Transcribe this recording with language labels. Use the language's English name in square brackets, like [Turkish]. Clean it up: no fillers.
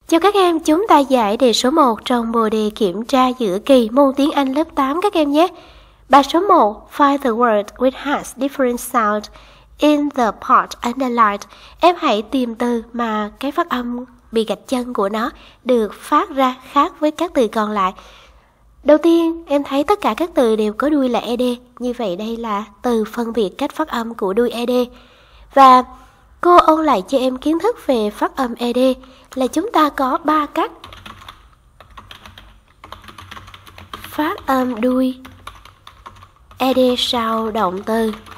[Vietnamese] Chào các em, chúng ta giải đề số 1 trong bộ đề kiểm tra giữa kỳ môn tiếng Anh lớp 8 các em nhé. Bài số 1, [English] find the word which has different sound in the part underlined. [Vietnamese] Em hãy tìm từ mà cái phát âm bị gạch chân của nó được phát ra khác với các từ còn lại. Đầu tiên, em thấy tất cả các từ đều có đuôi là ed, như vậy đây là từ phân biệt cách phát âm của đuôi ed. Và cô ôn lại cho em kiến thức về phát âm ed là chúng ta có 3 cách phát âm đuôi ed sau động từ.